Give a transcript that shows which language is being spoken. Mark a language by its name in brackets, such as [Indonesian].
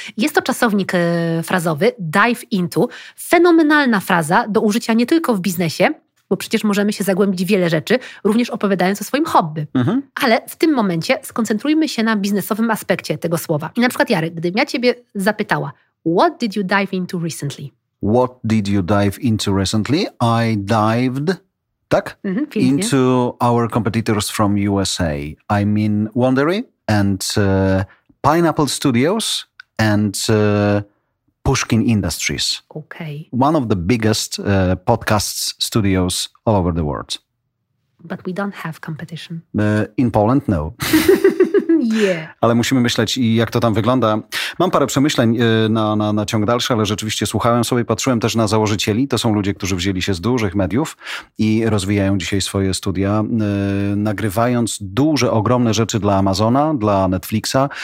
[Polish] Jest to czasownik frazowy, dive into. Fenomenalna fraza do użycia nie tylko w biznesie, bo przecież możemy się zagłębić w wiele rzeczy, również opowiadając o swoim hobby. Mhm. Ale w tym momencie skoncentrujmy się na biznesowym aspekcie tego słowa. I na przykład, Jary, gdybym ja ciebie zapytała, [English] what did you dive into recently? What did you dive into recently? I dived, tak? Mm-hmm, into our competitors from USA. I mean Wondery and Pineapple Studios and Pushkin Industries. Okay. One of the biggest podcast studios all over the world. But we don't have competition. In Poland, no. Yeah. [Polish] Ale musimy myśleć, jak to tam wygląda. Mam parę przemyśleń na ciąg dalszy, ale rzeczywiście słuchałem sobie, patrzyłem też na założycieli. To są ludzie, którzy wzięli się z dużych mediów i rozwijają dzisiaj swoje studia, nagrywając duże, ogromne rzeczy dla Amazona, dla Netflixa.